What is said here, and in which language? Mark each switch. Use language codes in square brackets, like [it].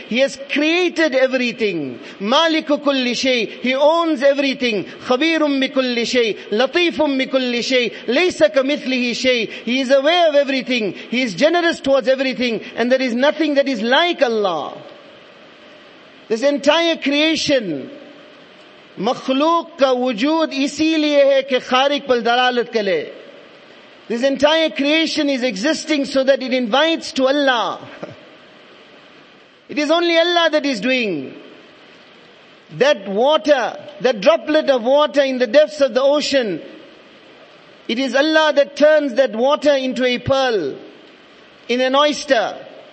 [en] He has created everything. [ar] مالك كل شيء. [en] He owns everything. [ar] خَبِيرٌ بِكُلِّ شَيْءٍ لَطِيفٌ بِكُلِّ شَيْءٍ لَيْسَ كَمِثْلِهِ شَيْءٍ. [en] He is aware of everything. He is generous towards everything. And there is nothing that is like Allah. This entire creation, [ur] مخلوق کا وجود اسی لیے ہے کہ خارق پر دلالت کرے. [en] This entire creation is existing so that it invites to Allah. It is only Allah that is doing. That water, that droplet of water in the depths of the ocean, it is Allah that turns that water into a pearl, in an oyster.